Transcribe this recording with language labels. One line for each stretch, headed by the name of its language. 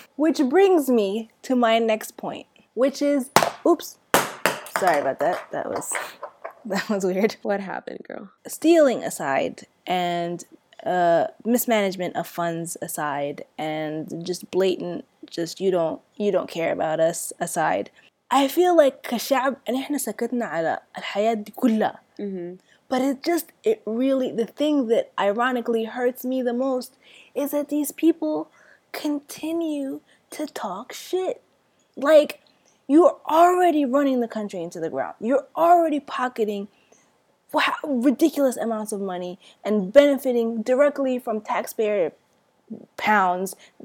English: Which brings me to my next point, which is, oops, sorry about that. That was weird. what happened, girl? Stealing aside and mismanagement of funds aside and just blatant just you don't care about us aside. I feel like
Arabic: كشعب نحن سكتنا على الحياة دي كلها.
English: But it really the thing that ironically hurts me the most is that these people continue to talk shit. Like, you're already running the country into the ground. You're already pocketing ridiculous amounts of money and benefiting directly from taxpayer pounds.